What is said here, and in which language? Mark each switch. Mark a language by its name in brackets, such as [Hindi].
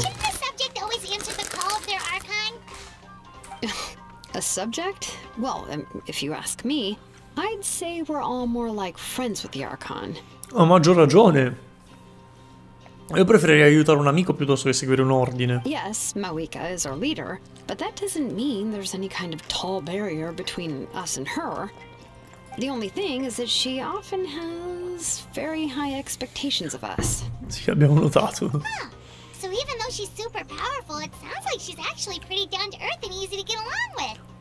[English] Shouldn't a subject always answer the call of their archon? A subject? Well, if you ask me, I'd say we're all more like friends with the archon. [Italian] Ha maggior ragione. Io preferirei aiutare un amico piuttosto che seguire un ordine. [English] Yes, Maweka is our leader, but that doesn't mean there's any kind of tall barrier between us and her. The only thing is that she often has very high expectations of us. [Italian] Sì, abbiamo notato. [English] So even though she's super powerful, it sounds like she's actually pretty down to earth and easy to get along with.